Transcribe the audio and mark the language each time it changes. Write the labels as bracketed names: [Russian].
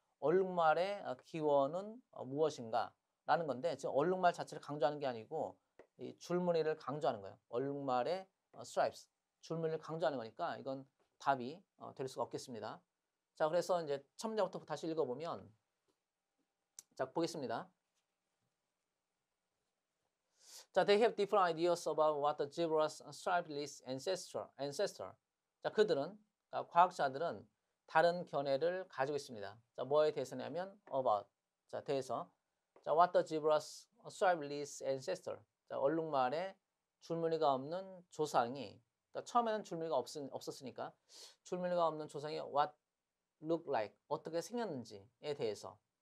[Korean] 얼룩말의 기원은 무엇인가? 라는 건데 지금 얼룩말 자체를 강조하는 게 아니고 이 줄무늬를 강조하는 거예요. 얼룩말의 stripes, 줄무늬를 강조하는 거니까 이건 답이 될 수가 없겠습니다. 자, 그래서 이제 첨자부터 다시 읽어보면 자, 보겠습니다. [English] 자, they have different ideas about what the zebra's stripeless ancestor. [Korean] 자, 그들은, 그러니까 과학자들은 다른 견해를 가지고 있습니다. 자, 뭐에 대해서냐면 about. 자, 대해서. 자, [English] what the zebra's stripeless ancestor. [Korean] 자, 얼룩말에 줄무늬가 없는 조상이. 그러니까 처음에는 줄무늬가 없었으니까 줄무늬가 없는 조상이 [English] what look like, [Korean] 어떻게 생겼는지에 대해서.